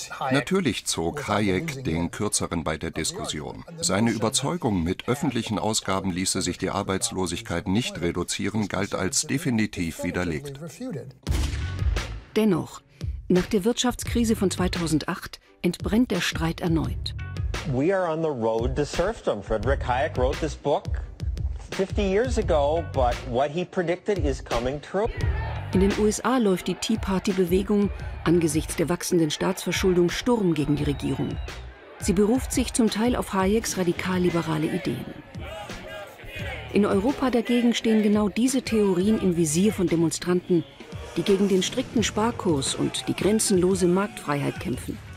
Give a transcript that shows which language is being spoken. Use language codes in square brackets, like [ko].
[de] Natürlich zog Hayek den Kürzeren bei der Diskussion. Seine Überzeugung, mit öffentlichen Ausgaben ließe sich die Arbeitslosigkeit nicht reduzieren, galt als definitiv widerlegt. Dennoch, nach der Wirtschaftskrise von 2008 entbrennt der Streit erneut. [en] We are on the road to serfdom. Friedrich Hayek wrote this book 50 years ago, but what he predicted is coming true. [de] In den USA läuft die Tea Party-Bewegung angesichts der wachsenden Staatsverschuldung Sturm gegen die Regierung. Sie beruft sich zum Teil auf Hayeks radikal-liberale Ideen. In Europa dagegen stehen genau diese Theorien im Visier von Demonstranten, die gegen den strikten Sparkurs und die grenzenlose Marktfreiheit kämpfen.